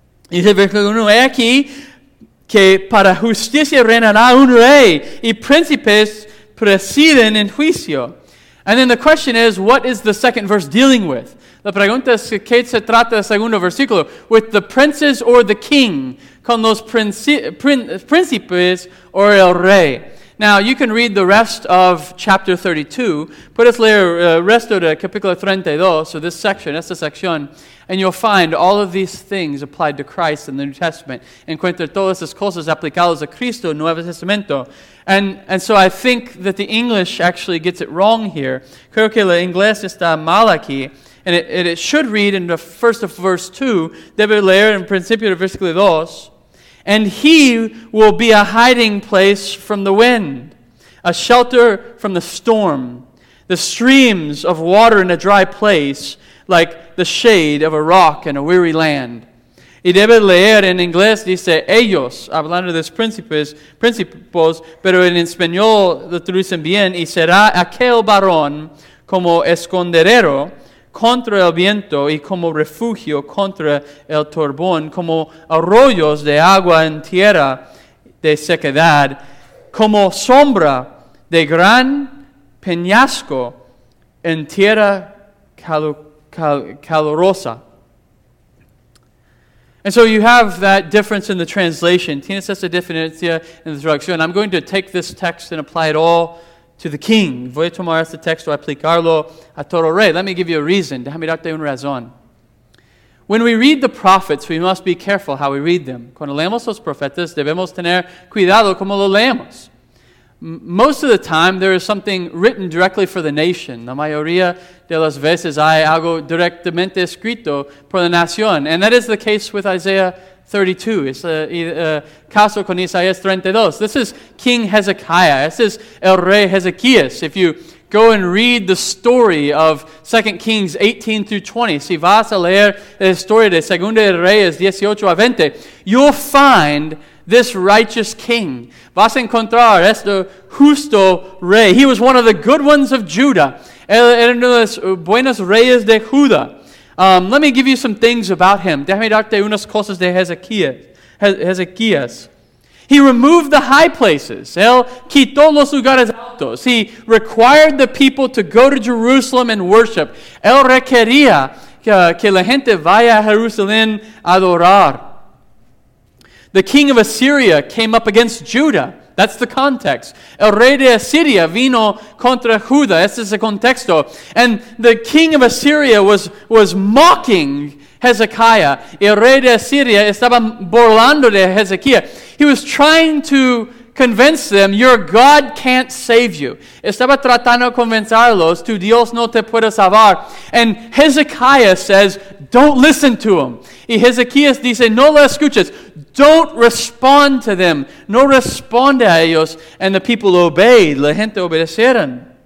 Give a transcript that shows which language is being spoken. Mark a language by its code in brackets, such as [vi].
[es] Y dice versículo 1, he aquí que para justicia reinará un rey, y príncipes presiden en juicio. [en] And then the question is, what is the second verse dealing with? [es] La pregunta es, ¿qué se trata el segundo versículo? [en] With the princes or the king? [es] Con los príncipes or el rey? [en] Now, you can read the rest of chapter 32. [es] Puedes leer el resto de capítulo 32, [en] so this section, [es] esta sección, [en] and you'll find all of these things applied to Christ in the New Testament. [es] Encuentra todas esas cosas aplicadas a Cristo en Nuevo Testamento. [en] And so I think that the English actually gets it wrong here. [es] Creo que la inglés está mal aquí. [en] And it should read in the first of verse 2, [es] debe leer en principio de versículo 2, [en] and he will be a hiding place from the wind, a shelter from the storm, the streams of water in a dry place, like the shade of a rock in a weary land. [es] Y debe leer en inglés, dice, ellos, hablando de los príncipes, pero en español lo traducen bien, y será aquel varón como esconderero contra el viento y como refugio contra el turbón, como arroyos de agua en tierra de sequedad, como sombra de gran peñasco en tierra calurosa. [en] And so you have that difference in the translation. [es] Tienes esa diferencia en la traducción. [en] I'm going to take this text and apply it all to the king. [es] Voy a tomar este texto y aplicarlo a todo rey. [en] Let me give you a reason. [es] Déjame darte una razón. [en] When we read the prophets, we must be careful how we read them. [es] Cuando leemos los profetas, debemos tener cuidado como lo leemos. [en] Most of the time, there is something written directly for the nation. [es] La mayoría de las veces hay algo directamente escrito por la nación. [en] And that is the case with Isaiah 32. It's a [es] caso con Isaías 32. [en] This is King Hezekiah. This is [es] el rey Hezekías. [en] If you Go and read the story of 2 Kings 18 through 20. [es] Si vas a leer la historia de Segunda de Reyes 18 a 20, [en] you'll find this righteous king. [es] Vas a encontrar este justo rey. [en] He was one of the good ones of Judah. [es] Él era uno de los buenos reyes de Judá. [en] Let me give you some things about him. [es] Déjame darte unas cosas de Hezekías. [en] He removed the high places. [es] Él quitó los lugares altos. [en] He required the people to go to Jerusalem and worship. [es] Él requería que la gente vaya a Jerusalén a adorar. [en] The king of Assyria came up against Judah. That's the context. [es] El rey de Asiria vino contra Judá. Ese es el contexto. [en] And the king of Assyria was mocking Hezekiah. [es] El rey de Asiria estaba burlando de Hezekiah. [en] He was trying to convince them, your God can't save you. [es] Estaba tratando de convencerlos, tu Dios no te puede salvar. [en] And Hezekiah says, don't listen to him. [es] Y Hezekiah dice, no lo escuches. [en] Don't respond to them. [es] No responde a ellos. [en] And the people obeyed. [es] La gente obedecieron.